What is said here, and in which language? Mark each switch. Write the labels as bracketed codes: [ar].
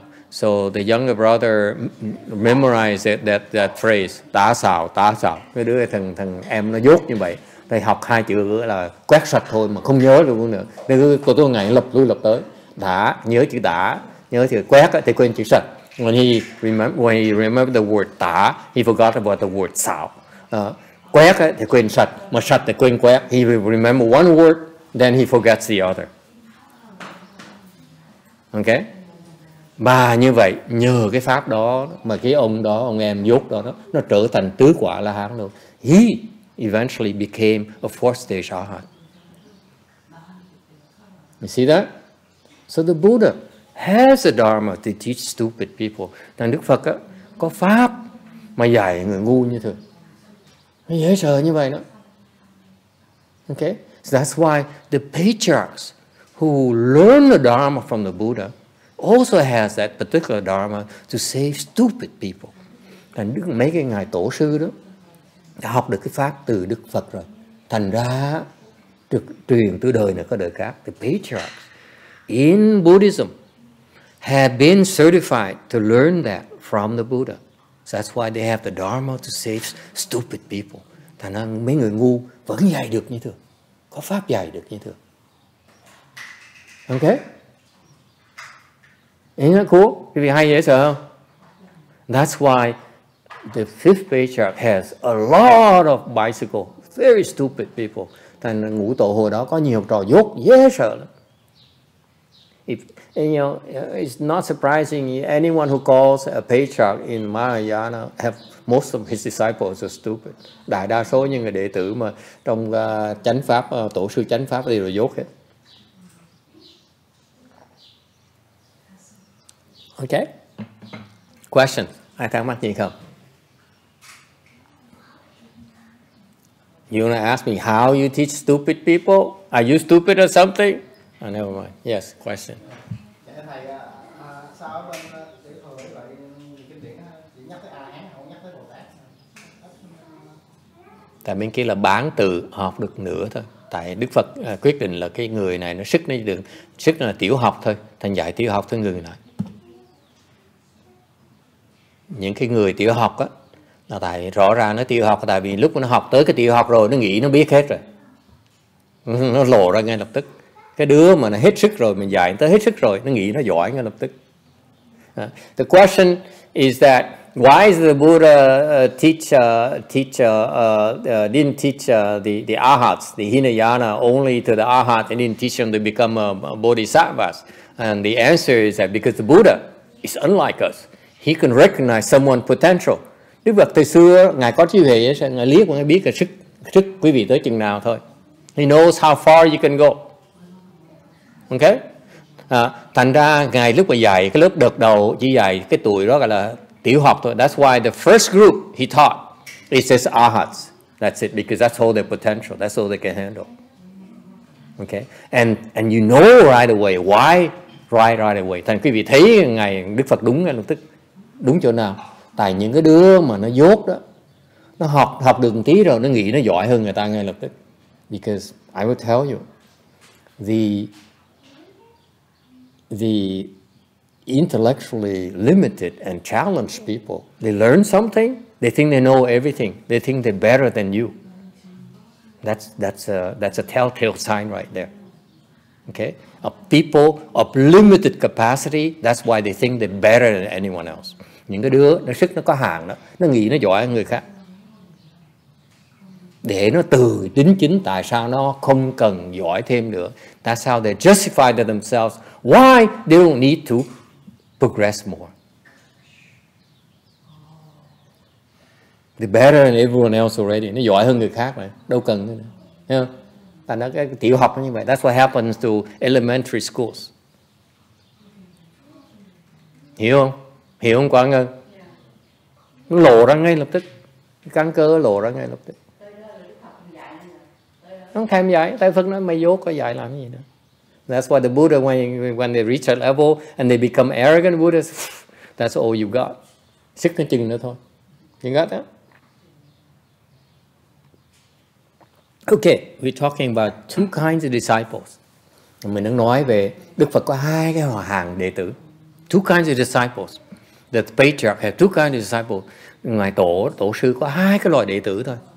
[en] So the younger brother memorized that phrase, [vi] tá xào, tá xào. Cái đứa thằng em nó dốt như vậy, thầy học hai chữ là quét sạch thôi mà không nhớ được luôn nữa. Nên cứ có tôi ngày lập lui lập tới, đã nhớ chữ đã, nhớ chữ quét thì quên chữ sạch. [en] When he remembered the word tá, he forgot about the word xào. [vi] Quét thì quên sạch, mà sạch thì quên quét. [en] He will remember one word, then he forgets the other. Okay? [vi] Mà như vậy, nhờ cái pháp đó, mà cái ông đó, ông em dốt đó, nó trở thành tứ quả la hán luôn. [en] He eventually became a fourth stage arhat. You see that? So the Buddha has a dharma to teach stupid people. [vi] Thằng Đức Phật á, có pháp mà dạy người ngu như thường. Dễ sợ như vậy đó. Okay? [en] So that's why the patriarchs who learn the dharma from the Buddha also has that particular dharma to save stupid people. [vi] And mấy cái ngài tổ sư đó đã học được cái pháp từ Đức Phật rồi. Thành ra được truyền từ đời này qua đời khác. [en] The patriarchs in Buddhism have been certified to learn that from the Buddha. So that's why they have the dharma to save stupid people. [vi] Thành ra mấy người ngu vẫn dạy được như thường. Có pháp dạy được như thường. [en] Okay? Isn't that cool? [vi] Quý vị hay dễ sợ không? [en] That's why the fifth patriarch has a lot of bicycle. Very stupid people. [vi] Thành ra ngũ tổ hồi đó có nhiều trò dốt dễ sợ lắm. [en] If you know, it's not surprising anyone who calls a patriarch in Mahayana have most of his disciples are stupid. [vi] Đại đa số những người đệ tử mà trong chánh pháp tổ sư chánh pháp đều là dốt hết. Okay. Question. Ai thắc mắc gì không? [en] You want to ask me how you teach stupid people? Are you stupid or something? Oh, never mind. Yes, question. [vi] Tại bên kia là bán từ học được nửa thôi. Tại Đức Phật quyết định là cái người này nó sức nó được sức là tiểu học thôi, thành dạy tiểu học thôi người này. Những cái người tiểu học á là tại rõ ràng nó tiểu học tại vì lúc nó học tới cái tiểu học rồi nó nghĩ nó biết hết rồi. Nó lộ ra ngay lập tức. Cái đứa mà nó hết sức rồi, mình dạy tới hết sức rồi, nó nghĩ nó giỏi ngay lập tức. [en] The question is that why is the Buddha didn't teach the arhats, the Hinayana, only to the arhats and didn't teach them to become bodhisattvas? And the answer is that because the Buddha is unlike us. He can recognize someone's potential. [vi] Đức Phật từ xưa, Ngài có trí huệ, Ngài liếc và Ngài biết là sức quý vị tới chừng nào thôi. [en] He knows how far you can go. Okay? [vi] Thành ra Ngài lúc mà dạy cái lớp đợt đầu, chỉ dạy cái tuổi đó gọi là tiểu học thôi. [en] That's why the first group he taught is just arhats. That's it, because that's all their potential. That's all they can handle. Okay? And you know right away why right away. [vi] Thành quý vị thấy Ngài Đức Phật đúng ngay lập tức. Đúng chỗ nào? Tại những cái đứa mà nó dốt đó, nó học được một tí rồi nó nghĩ nó giỏi hơn người ta ngay lập tức. [en] Because I will tell you, the intellectually limited and challenged people, they learn something, they think they know everything, they think they're better than you. That's a telltale sign right there. Okay? Of people of limited capacity, that's why they think they're better than anyone else. [vi] Những cái đứa nó sức nó có hạn đó, nó nghĩ nó giỏi hơn người khác. Để nó tự tính chính tại sao nó không cần giỏi thêm nữa. [en] That's how they justify to themselves why they don't need to progress more. They're better than everyone else already. [vi] Nó giỏi hơn người khác mà, đâu cần nữa. Thấy không? Thành ra cái tiểu học như vậy. [en] That's what happens to elementary schools. [vi] Hiểu không? Hiểu không Quang Ngân? Nó lộ ra ngay lập tức. Cái căn cơ lộ ra ngay lập tức. Nó thèm dạy. Tại Phật nói mày dốt có dạy làm gì nữa. [en] That's why the Buddha when they reach a level and they become arrogant Buddhas, that's all you got. [vi] Sức nó chừng nữa thôi. [en] You got that? Okay, we're talking about two kinds of disciples. [vi] Mình đang nói về Đức Phật có hai cái họ hàng đệ tử. [en] Two kinds of disciples. The patriarch have two kinds of disciples. [vi] Ngài tổ, tổ sư có hai cái loại đệ tử thôi.